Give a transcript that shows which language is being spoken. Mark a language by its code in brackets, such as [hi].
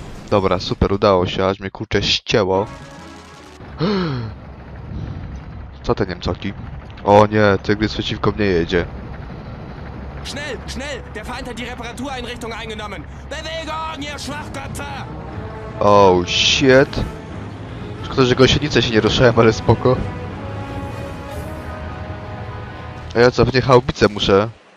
[pl] Dobra, super, udało się, aż mnie kurczę ścięło. Co te Niemcoki? O nie, tygrys przeciwko mnie jedzie. [de] Schnell, schnell! Der Feind hat die Reparatureinrichtung eingenommen! Bewegung, ihr Schwachköpfe! [en] Oh shit! [pl] Szkoda, że gąsienice się nie ruszają, ale spoko. A ja co, w nie chałupicę muszę?